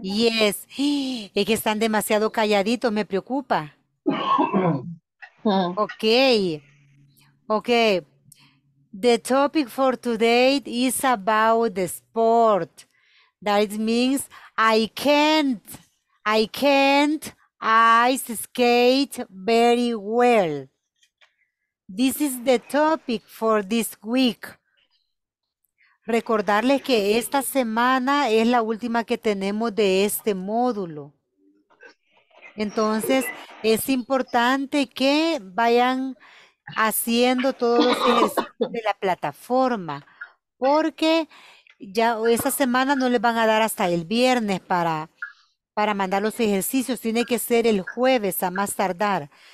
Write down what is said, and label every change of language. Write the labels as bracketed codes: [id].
[es] Yes, es que están demasiado calladitos, me preocupa. Ok. [en] The topic for today is about the sport. That means I can't ice skate very well. This is the topic for this week. [es] Recordarles que esta semana es la última que tenemos de este módulo. Entonces, es importante que vayan haciendo todos los ejercicios de la plataforma, porque ya esta semana no les van a dar hasta el viernes para mandar los ejercicios. Tiene que ser el jueves a más tardar.